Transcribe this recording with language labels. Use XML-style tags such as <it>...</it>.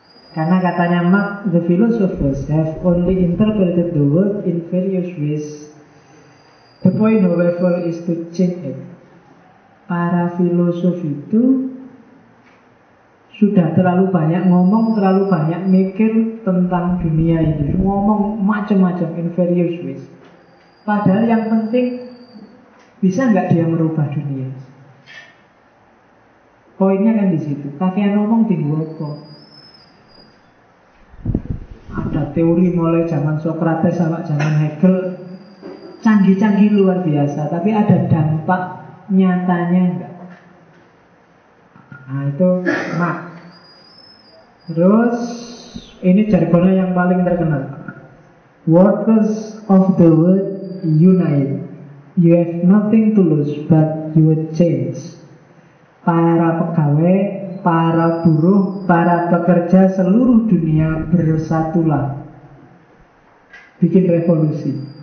<id>Karena katanya</id> <en>Marx, the philosophers have only interpreted the world in various ways. The point, however, is to change it.</en> <id>Para filosof itu sudah terlalu banyak ngomong, terlalu banyak mikir tentang dunia ini. Ngomong macam-macam</id> <en>in various ways.</en> <id>Padahal yang penting, bisa enggak dia merubah dunia? Poinnya kan di situ. Kakean ngomong di Woko. Ada teori mulai zaman Socrates sama zaman Hegel. Canggih-canggih luar biasa. Tapi ada dampak nyatanya enggak? Nah itu Marx. Terus, ini jargonnya yang paling terkenal.</id> <en>Workers of the world, unite. You have nothing to lose but your chains.</en> <id>Para pegawai, para buruh, para pekerja seluruh dunia bersatulah. Bikin revolusi.</id>